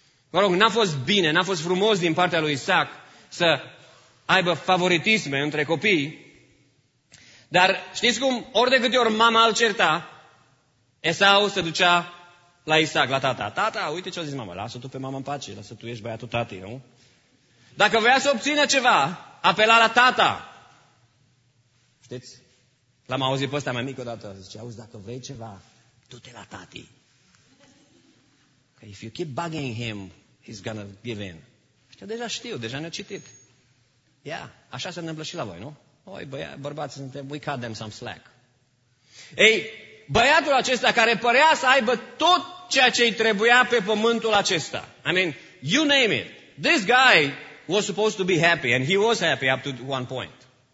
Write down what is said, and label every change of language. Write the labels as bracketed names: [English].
[Romanian] Mă rog, n-a fost bine, n-a fost frumos din partea lui Isaac să aibă favoritisme între copii, dar știți cum, ori de câte ori mama îl certa, Esau se ducea la Isaac, la tata. Tata, uite ce a zis mama, lasă tu pe mama în pace, lasă tu, ești băiatul tatei, nu? Dacă voia să obțină ceva, apela la tata. Știți? L-am auzit pe ăsta mai mic odată. Zice, auzi, dacă vrei ceva, du-te la tati. [English] If you keep bugging him, he's gonna give in. [Romanian] Știu, deja știu, deja ne-a citit. Ia, așa se întâmplă și la voi, nu? Oi, bărbați, suntem, we cut them some slack. Ei, băiatul acesta care părea să aibă tot ceea ce îi trebuia pe pământul acesta. [English] I mean, you name it. This guy was supposed to be happy, and he was happy up to one point.